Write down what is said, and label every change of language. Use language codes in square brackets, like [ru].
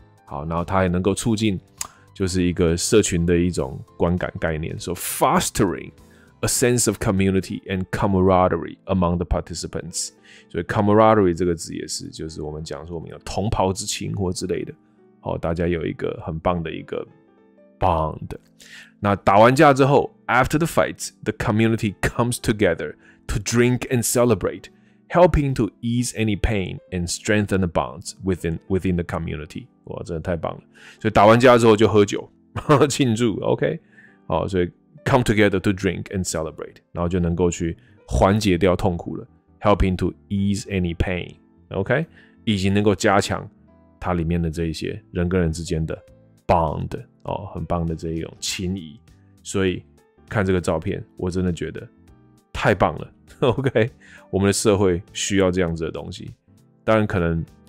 [zh] 好，然后它也能够促进就是一个社群的一种观感概念。 [en] So fostering a sense of community and camaraderie among the participants。 [zh] 所以 camaraderie 这个字也是就是我们讲说我们有同袍之情或之类的。好，大家有一个很棒的一个 bond。那打完架之后 [en] ，after the fight, the community comes together to drink and celebrate, helping to ease any pain and strengthen the bonds within the community. [zh] 哇，真的太棒了！所以打完架之后就喝酒庆祝 ，OK？好，所以 [en] come together to drink and celebrate， [zh] 然后就能够去缓解掉痛苦了 ， [en] helping to ease any pain， [zh] OK？、Okay? 以及能够加强它里面的这一些人跟人之间的 bond。哦，很棒的这一种情谊，所以看这个照片，我真的觉得太棒了。OK， 我们的社会需要这样子的东西，当然可能